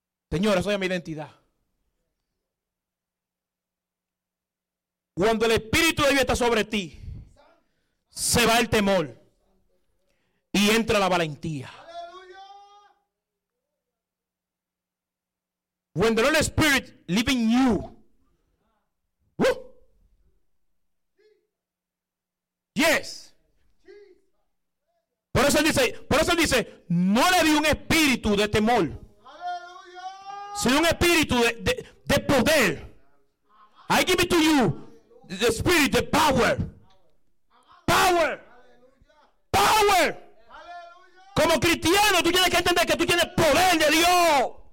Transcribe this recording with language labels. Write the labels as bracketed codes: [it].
[es] Señor, eso se llama identidad. Cuando el Espíritu de Dios está sobre ti, se va el temor y entra la valentía. [en] When the Holy Spirit lives in you, woo. [es] Yes. Por eso dice, no le di un espíritu de temor. Aleluya. Sino un espíritu de poder. [en] I give it to you, the spirit, the power. Power. Power. [es] Aleluya. Como cristiano, tú tienes que entender que tú tienes poder de Dios.